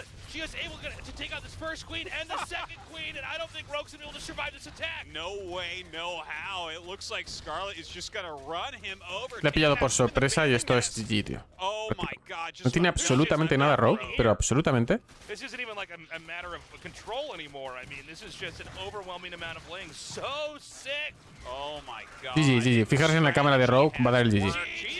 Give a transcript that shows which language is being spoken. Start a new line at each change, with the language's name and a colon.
English: She is able to take out this first queen and the second queen, and I don't think Rogue's gonna be able to survive this attack. No way, no how. It looks like Scarlett is just gonna run him over.
Spanish: Le ha pillado por sorpresa y esto es GG, tío.
English: Oh my god.
Spanish: No tiene absolutamente nada Rogue, pero absolutamente.
English: This isn't even like a matter of control anymore. I mean, this is just an overwhelming amount of lings. So sick. GG.
Spanish: Fijaros en la cámara de Rogue, va a dar el GG.